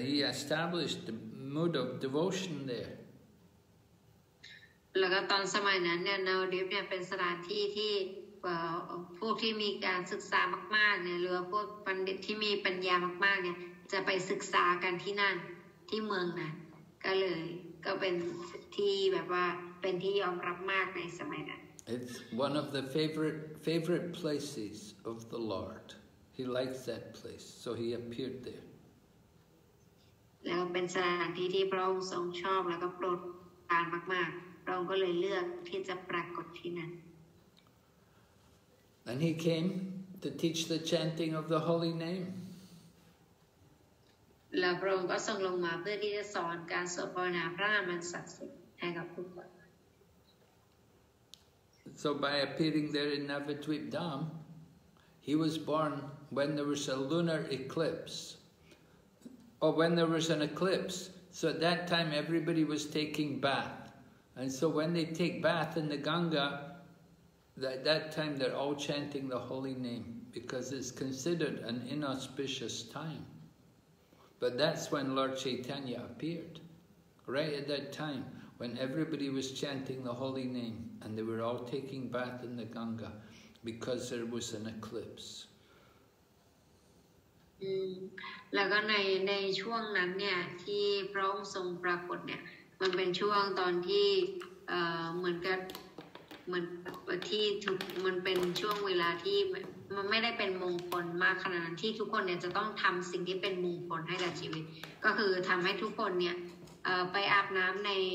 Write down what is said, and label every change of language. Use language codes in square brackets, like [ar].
[en] He established the mood of devotion there. [th] แล้วก็ตอนสมัยนั้นเนี่ย Navadvip เนี่ยเป็นสถานที่ที่พวกที่มีการศึกษามากๆเนี่ยหรือพวกปัณฑิตที่มีปัญญามากๆเนี่ยจะไปศึกษากันที่นั่นที่เมืองนั้นก็เลยก็เป็นที่แบบว่าเป็นที่ยอมรับมากในสมัยนั้น [en] It's one of the favorite places of the Lord. He likes that place, so he appeared there. [th] แล้วเป็นสถานที่ที่พระองค์ทรงชอบแล้วก็โปรดปรานมากๆพระองค์ก็เลยเลือกที่จะปรากฏที่นั่น [en] And he came to teach the chanting of the holy name. [th] และพระองค์ก็ทรงลงมาเพื่อที่จะสอนการสวดภาวนาพระนามอันศักดิ์สิทธิ์ให้กับผู้คน [en] So by appearing there in Navadvip Dham, he was born when there was a lunar eclipse, or when there was an eclipse. So at that time, everybody was taking bath, and so when they take bath in the Ganga, at that time they're all chanting the holy name because it's considered an inauspicious time. But that's when Lord Chaitanya appeared, right at that time when everybody was chanting the holy name and they were all taking bath in the Ganga. because there was an eclipse. [th] แล้วก็ในช่วงนั้นเนี่ยที่พระองค์ทรงปรากฏเนี่ยมันเป็นช่วงตอนที่เหมือนกับเหมือนที่ทุกมันเป็นช่วงเวลาที่มันไม่ได้เป็นมงคลมากขนาดที่ทุกคนเนี่ยจะต้องทำสิ่งที่เป็นมงคลให้กับชีวิตก็คือทำให้ทุกคนเนี่ยไปอาบน้ำใน